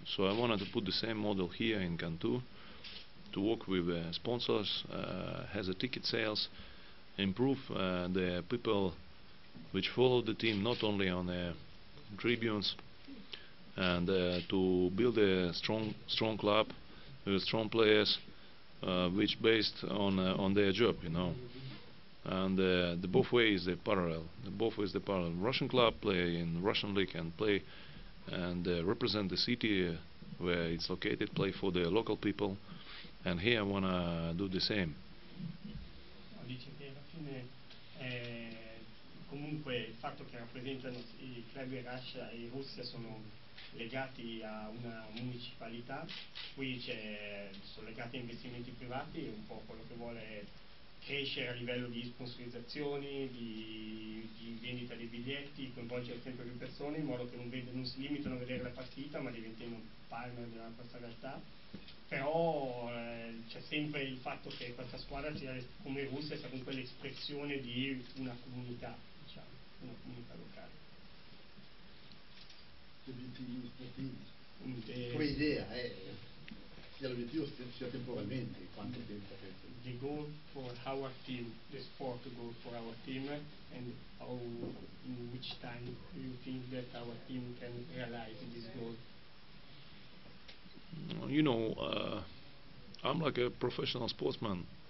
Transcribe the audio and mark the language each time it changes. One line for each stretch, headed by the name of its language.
English: So I wanted to put the same model here in Cantu, to work with sponsors, has a ticket sales, improve the people which follow the team, not only on the tribunes, and to build a strong club with strong players, which based on their job, you know. And the both ways the parallel. Russian club play in Russian league and play and represent the city where it's located, play for the local people. And here I wanna do the same.
Italian: Dice che alla fine comunque il fatto che rappresentano i club in Russia e in Russia sono legati a una municipalità, qui c'è sono legati a investimenti privati, è un po' quello che vuole crescere a livello di sponsorizzazioni, di vendita dei biglietti, coinvolgere sempre più persone in modo che non si limitano a vedere la partita ma diventino partner di questa realtà. Però c'è sempre il fatto che questa squadra sia come Russia sia comunque l'espressione di una comunità, diciamo, una comunità locale. Come idea, sia l'obiettivo sia temporalmente, quanto tempo penso?
English: The goal for our team, the sport goal for our team, and how in which time you think that our team can realize this goal? You know, I'm like a professional sportsman.